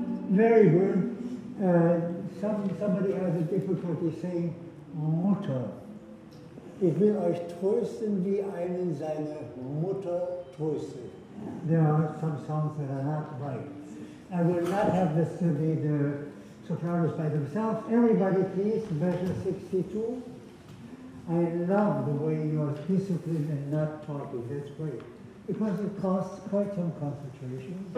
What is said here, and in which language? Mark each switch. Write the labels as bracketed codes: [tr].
[en] Very good. Somebody has a difficulty saying Mutter. [de] Ich will euch trösten, wie einen seine Mutter tröstet. [en] There are some songs that are not right. I will not have this to be the Sopranos by themselves. Everybody, please, version 62. I love the way you are disciplined and not talking. That's great. Because it costs quite some concentration.